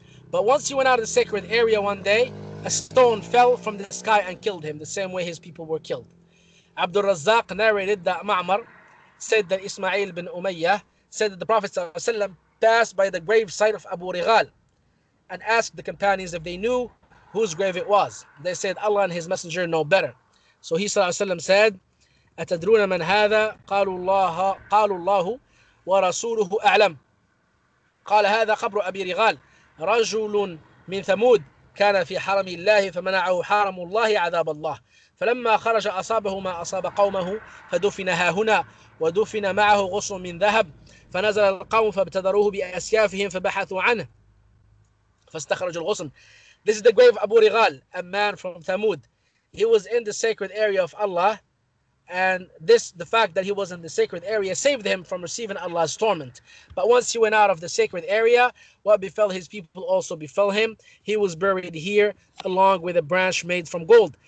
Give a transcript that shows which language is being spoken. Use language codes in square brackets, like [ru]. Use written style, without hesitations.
[en] But once he went out of the sacred area one day, a stone fell from the sky and killed him, the same way his people were killed. Abdul Razzaq narrated that Ma'mar said that Ismail bin Umayyah said that the Prophet ﷺ passed by the gravesite of Abu Righal and asked the companions if they knew whose grave it was. They said, Allah and his messenger know better. So he ﷺ said, [ar] أَتَدْرُونَ مَنْ هَذَا قَالُوا اللَّهُ وَرَسُولُهُ أَعْلَمُ قَالَ هَذَا قَبْرُ أَبِي رِغَالٍ رجل من ثمود كان في حرم الله فمنعه حرم الله عذاب الله فلما خرج أصابه ما أصاب قومه فدفن هاهنا ودفن معه غصن من ذهب فنزل القوم فابتدروه بأسيافهم فبحثوا عنه فاستخرج الغصن. [en] This is the grave of Abu Righal, a man from Thamud. He was in the sacred area of Allah, and this, the fact that he was in the sacred area, saved him from receiving Allah's torment. But once he went out of the sacred area, what befell his people also befell him. He was buried here along with a branch made from gold.